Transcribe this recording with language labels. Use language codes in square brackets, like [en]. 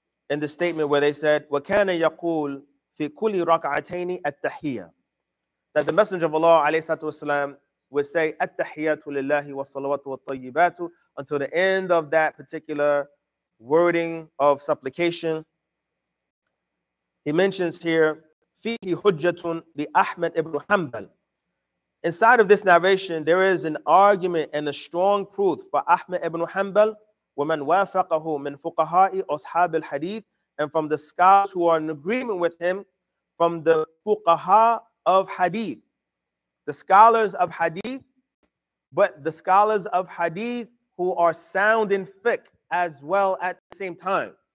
[en] in the statement where they said, [ar] وَكَانَ يَقُولْ فِي كُلِّ رَكْعَتَيْنِ التَّحِيَّةِ, [en] that the Messenger of Allah, [ar] alayhi salatu wasalam, [en] would say, [ar] التَّحِيَّةُ لِلَّهِ وَالصَّلَوَاتُ وَالطَّيِّبَاتُ, [en] until the end of that particular wording of supplication. He mentions here, [ar] فِيهِ حُجَّةٌ لِأَحْمَدْ إِبْنُ حَنْبَلْ. [en] Inside of this narration, there is an argument and a strong proof for Ahmad ibn Hanbal, [ar] وَمَنْ وَافَقَهُ مِنْ فُقَهَاءِ أَصْحَابِ الْحَدِيثِ, [en] and from the scholars who are in agreement with him, from the fuqaha of hadith, the scholars of hadith, but the scholars of hadith who are sound in fiqh as well at the same time.